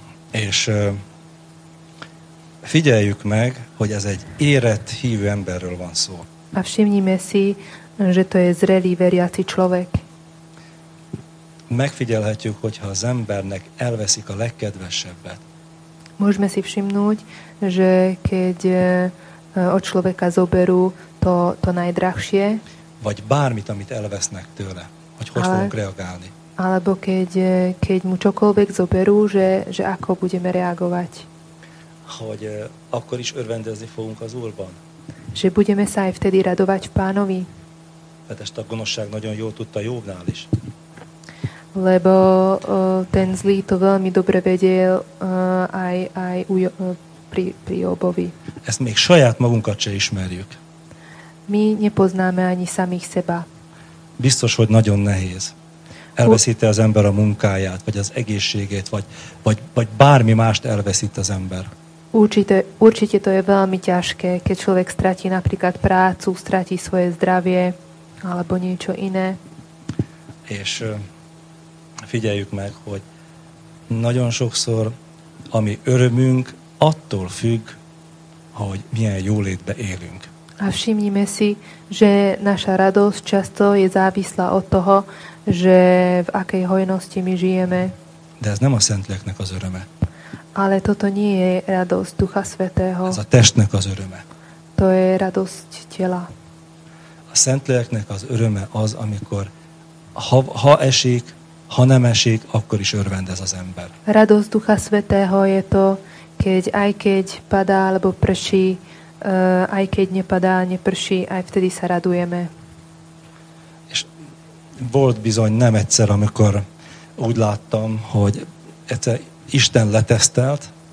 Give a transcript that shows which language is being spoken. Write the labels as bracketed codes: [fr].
[hu] És figyeljük meg, hogy ez egy érett hívő emberről van szó. [sk] A všimnime si, že to je zrelý veriaci človek. [hu] Megfigyelhetjük, hogyha az embernek elveszik a legkedvesebbet. [sk] Môžeme si všimnúť, že keď od človeka zoberú to najdrahšie. [hu] Vagy bármit, amit elvesznek tőle. Hogy fogunk reagálni. [sk] Alebo keď mu čokoľvek zoberú, že ako budeme reagovať. [hu] Hogy akkor is örvendezni fogunk az Úrban. [sk] Že budeme sa aj vtedy radovať v Pánovi. [hu] Hát ezt a gonoszság nagyon jól tudta Jóbnál is. [sk] Lebo ten zlý to veľmi dobre vedel aj pri Jóbovi. [hu] Ezt még saját magunkat se ismerjük. [sk] My nepoznáme ani samých seba. [hu] Biztos, hogy nagyon nehéz. Elveszíti az ember a munkáját, vagy az egészségét, vagy bármi mást elveszít az ember. [sk] Určite to je veľmi ťažké, keď človek stratí napríklad prácu, stratí svoje zdravie, alebo niečo iné. [hu] És figyeljük meg, hogy nagyon sokszor a mi örömünk attól függ, hogy milyen jólétbe élünk. [sk] A všimnime si, že naša radosť často je závislá od toho, že v akej hojnosti my žijeme. [hu] De ez nem a Szentléleknek az öröme. [sk] Ale toto nie je radosť Ducha Svätého. [hu] Ez a testnek az öröme. [sk] To je radosť tela. [hu] A Szentléleknek az öröme az, amikor ha esik, ha nem esik, akkor is örvendez az ember. [sk] Radosť Ducha Svätého je to, keď aj keď padá alebo prší, aj keď nepadá, neprší, aj vtedy sa radujeme. [hu] És volt bizony nem egyszer, amikor úgy láttam, hogy egyszer Isten letesztelt.